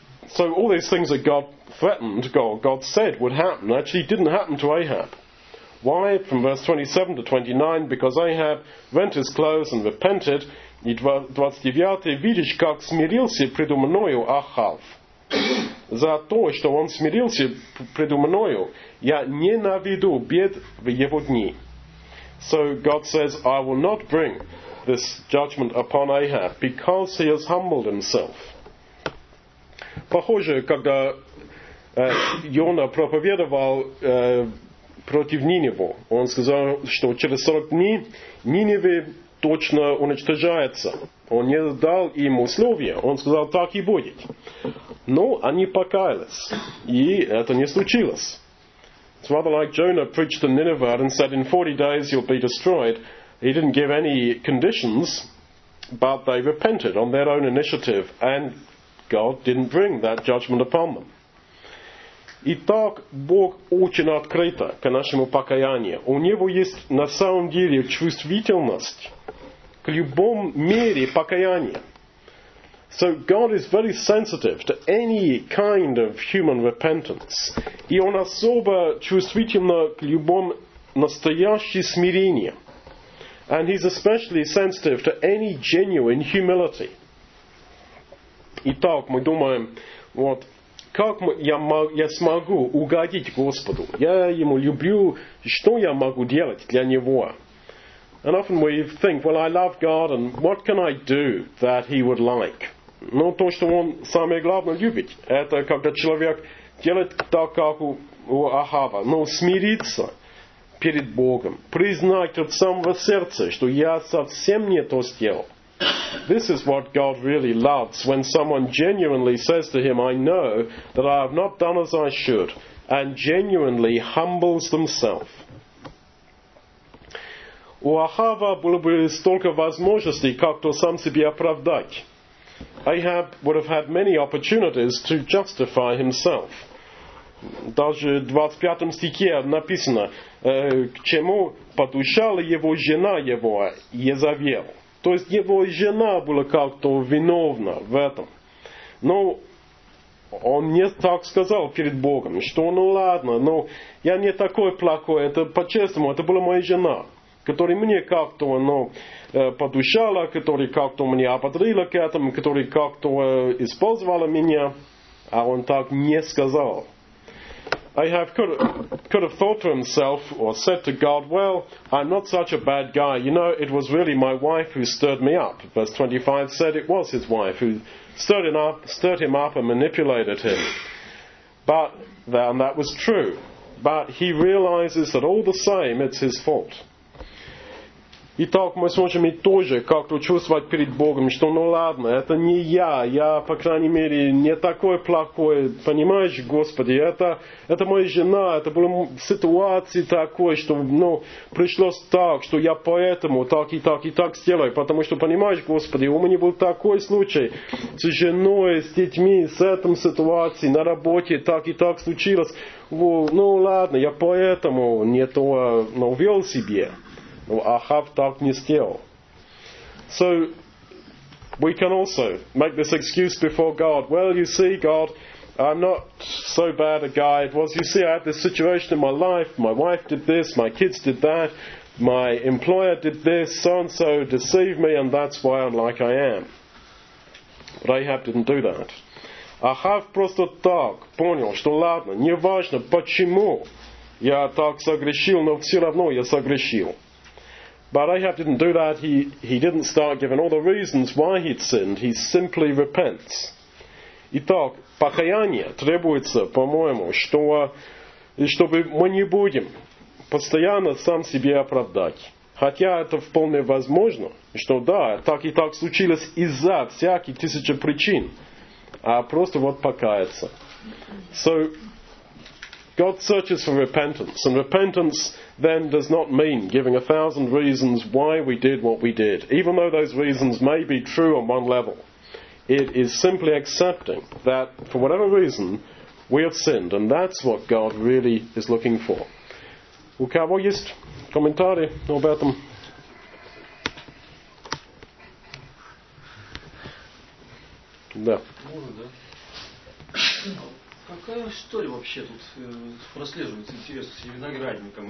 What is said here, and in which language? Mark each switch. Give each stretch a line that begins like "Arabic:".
English: So all these things that God threatened, God said would happen, actually didn't happen to Ahab. Why? From verse 27 to 29, because Ahab rent his clothes and repented.
Russian: И 29, видишь, как смирился предо мною Ахав. За то, что он смирился предо мною, я ненавиду бед в его дни.
English: So God says, I will not bring this judgment upon Ahab because he has humbled himself.
Russian: Похоже, когда Йона проповедовал против Ниневу, он сказал, что через 40 дней Ниневе точно уничтожается. Он не дал им условия, он сказал, так и будет. Но они покаялись, и это не случилось.
English: It's rather like Jonah preached to Nineveh and said, in 40 days you'll be destroyed. He didn't give any conditions, but they repented on their own initiative, and God didn't bring that judgment upon them.
Russian: Итак, Бог очень открыт к нашему покаянию. У Него есть на самом деле чувствительность к любом мере покаяния.
English: So God is very sensitive to any kind of human repentance.
Russian: И Он особо чувствительно к любому настоящему смирению.
English: And He's especially sensitive to any genuine humility.
Russian: Итак, мы думаем, вот, как я смогу угодить Господу? Я Ему люблю, что я могу делать для Него?
English: And often we think, well, I love God, and what can I do that He would like?
Russian: Но то, что он самое главное любит, это когда человек делает так, как у Ахава, но смириться перед Богом, признать от самого сердца, что я совсем не то сделал.
English: This is what God really loves, when someone genuinely says to Him, I know that I have not done as I should, and genuinely humbles themselves.
Russian: У Ахава было бы столько возможностей как-то сам себя оправдать.
English: Ahab would have had many opportunities to justify himself.
Russian: Даже в 25 стихе написано, к чему подущала его жена его, Иезавел. То есть его жена была как-то виновна в этом. Но он не так сказал перед Богом, что ну ладно, но я не такой плохой, это по-честному, это была моя жена, который мне как-то подушало, который как-то меня ободрило к этому, который как-то использовало меня, а он так не сказал.
English: Ahab could have thought to himself or said to God, well, I'm not such a bad guy. You know, it was really my wife who stirred me up. Verse 25 said it was his wife who stirred him up and manipulated him. And that was true. But he realizes that all the same, it's his fault.
Russian: Итак, мы сможем и тоже как-то чувствовать перед Богом, что ну ладно, это не я, я, по крайней мере, не такой плохой, понимаешь, Господи, это моя жена, это было в ситуации такой, что, ну, пришлось так, что я поэтому так и так и так сделаю, потому что, понимаешь, Господи, у меня был такой случай с женой, с детьми, с этой ситуацией, на работе так и так случилось, ну ладно, я поэтому не то, ну, вел себе. Ахав так не сделал.
English: So, we can also make this excuse before God. Well, you see, God, I'm not so bad a guy. Well, you see, I had this situation in my life. My wife did this, my kids did that, my employer did this, so-and-so deceived me, and that's why I'm like I am. But Ahab didn't do that.
Russian: Ахав просто так понял, что ладно, не важно, почему я так согрешил, но все равно я согрешил.
English: But Ahab didn't do that. He didn't start giving all the reasons why he'd sinned. He simply repents.
Russian: Итак, покаяние требуется, по-моему, чтобы мы не будем постоянно сам себе оправдать. Хотя это вполне возможно, что да, так и так случилось из-за всяких тысяч причин, а просто вот покаяться.
English: So, God searches for repentance, and repentance then does not mean giving 1,000 reasons why we did what we did, even though those reasons may be true on one level. It is simply accepting that, for whatever reason, we have sinned, and that's what God really is looking for.
Russian: У кого есть комментарии об этом? Да. Какая история вообще тут прослеживается интерес с виноградником?